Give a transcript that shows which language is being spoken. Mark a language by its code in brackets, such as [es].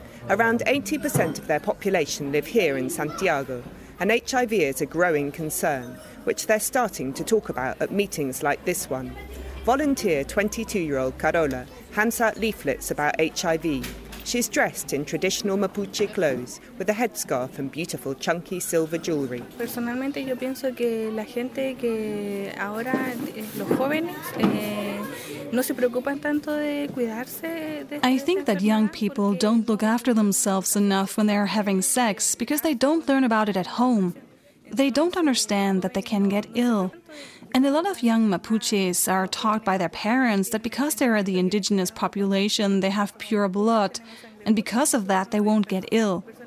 [en] Around 80% of their population live here in Santiago, and HIV is a growing concern, which they're starting to talk about at meetings like this one. Volunteer 22-year-old Carola hands out leaflets about HIV. She's dressed in traditional Mapuche clothes with a headscarf and beautiful chunky silver jewelry. [es] Personalmente yo pienso que la gente que ahora los jóvenes no se preocupan tanto de cuidarse. [en] I think that young people don't look after themselves enough when they're having sex because they don't learn about it at home. They don't understand that they can get ill. And a lot of young Mapuches are taught by their parents that because they are the indigenous population, they have pure blood, and because of that, they won't get ill.